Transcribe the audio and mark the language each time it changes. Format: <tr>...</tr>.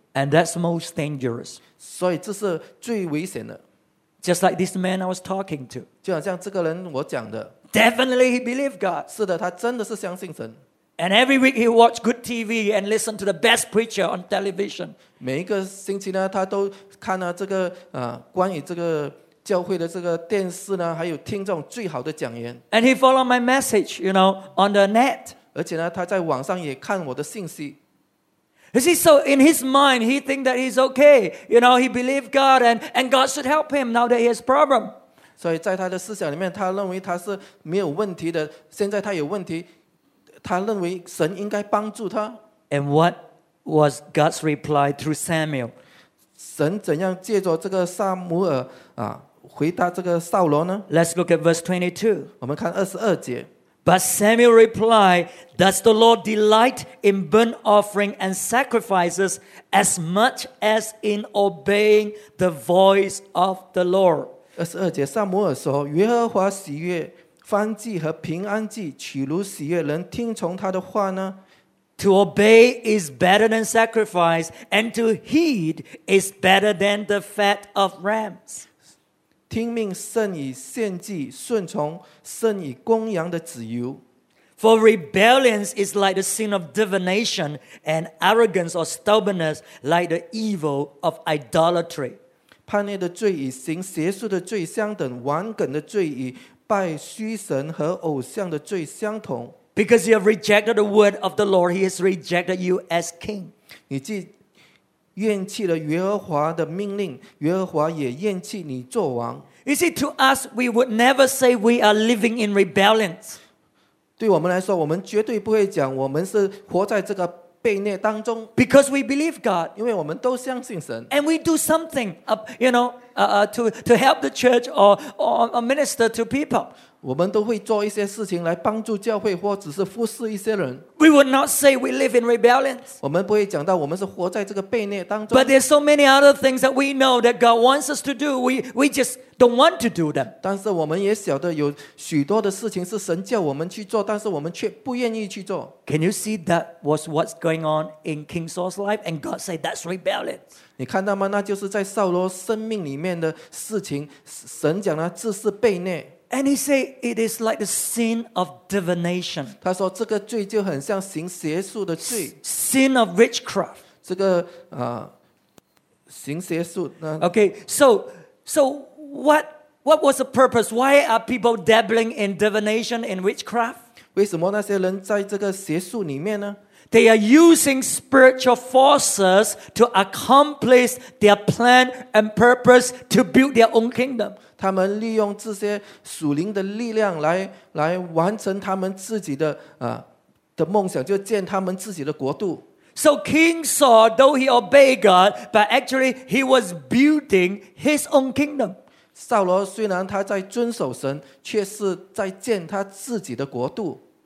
<en>And that's most dangerous.</en> <zh>所以这是最危险的。</zh> <en>Just like this man I was talking to.</en> <zh>就好像这个人我讲的。</zh> <en>Definitely he believed God.</en> <zh>是的，他真的是相信神。</zh> <en>And every week he watched good TV and listened to the best preacher on television.</en> <zh>每一个星期呢，他都看了这个关于这个教会的这个电视呢，还有听这种最好的讲员。</zh> <en>And he followed my message, you know, on the net.</en> <zh>而且呢，他在网上也看我的信息。</zh> <en>You see, so in his mind, he thinks that he's okay. You know, he believed God and God should help him now that he has a problem.</en> <zh>所以在他的思想里面，他认为他是没有问题的。现在他有问题，他认为神应该帮助他。</zh> <en>And what was God's reply through Samuel?</en> <zh>神怎样借着这个撒母耳回答这个扫罗呢？</zh> <en>Let's look at verse 22.</en> <zh>我们看22节。</zh> <en>But Samuel replied, "Does the Lord delight in burnt offering and sacrifices as much as in obeying the voice of the Lord?"</en> <zh>二十二节，撒母耳说：“耶和华喜悦燔祭和平安祭，岂如喜悦人听从他的话呢？”</zh> <en>To obey is better than sacrifice, and to heed is better than the fat of rams.</en> <zh>听命胜于献祭，顺从胜于公羊的脂油。</zh> <en>For rebellion is like the sin of divination, and arrogance or stubbornness like the evil of idolatry.</en> <zh>叛逆的罪与行邪术的罪相等，顽梗的罪与拜虚神和偶像的罪相同。</zh> <en>Because you have rejected the word of the Lord, He has rejected you as king.</en> <zh>你既厌弃了耶和华的命令，耶和华也厌弃你作王。</zh> <en>You see, to us, we would never say we are living in rebellion.</en> <zh>对我们来说，我们绝对不会讲我们是活在这个悖逆当中。</zh> <en>Because we believe God,</en> <zh>因为我们都相信神。</zh> <en>And we do something, you know, to help the church or minister to people.</en> <zh>我们都会做一些事情来帮助教会，或只是服侍一些人。</zh> <en>We would not say we live in rebellion.</en> <zh>我们不会讲到我们是活在这个悖逆当中。</zh> <en>But there's so many other things that we know that God wants us to do. We just don't want to do them.</en> <zh>但是我们也晓得有许多的事情是神叫我们去做，但是我们却不愿意去做。</zh> <en>Can you see that was what's going on in King Saul's life? And God said that's rebellion.</en> <zh>你看到吗？那就是在扫罗生命里面的事情，神讲了这是悖逆。</zh> <en>And he said it is like the sin of divination.</en> <zh>他说这个罪就很像行邪术的罪。</zh> <en>Sin of witchcraft.</en> <zh>这个行邪术。</zh> <en>Okay, so what was the purpose? Why are people dabbling in divination and witchcraft?</en> <zh>为什么那些人在这个邪术里面呢？</zh> <en>They are using spiritual forces to accomplish their plan and purpose to build their own kingdom.</en> <zh>他们利用这些属灵的力量 来完成他们自己 的梦想，就建他们自己的国度。</zh> <en>So King Saul, though he obeyed God, but actually he was building his own kingdom.</en> <zh>扫罗虽然他在遵守神，却是在建他自己的国度。</zh>